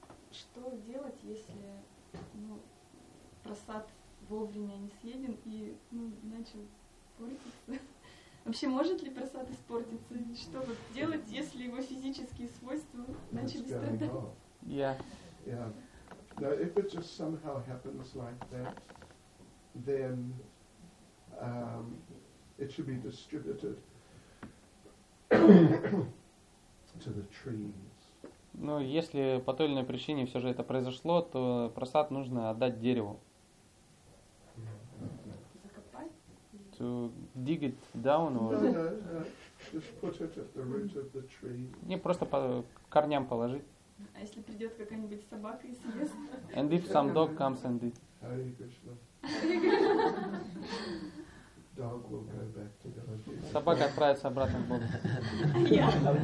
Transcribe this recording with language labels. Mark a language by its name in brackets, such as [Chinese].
[Russian] Что делать, если просад вовремя не съеден и начал портиться? Вообще, может ли просад испортиться? Что вот делать, если его физические свойства начали страдать? [English] Yeah. Yeah. Now, if it just somehow happens like that, then it should be distributed to the trees. [Russian] Ну, если по той или иной причине все же это произошло, то просад нужно отдать дереву. Закопать? [English] To dig it down or... Just put it at the root of the tree. [Russian] Не, просто по корням положить. А если придет какая-нибудь собака и съест? [English] And if some dog comes and it... Hare Krishna. Dog will go back to God. [Russian] Собака отправится обратно в Бога.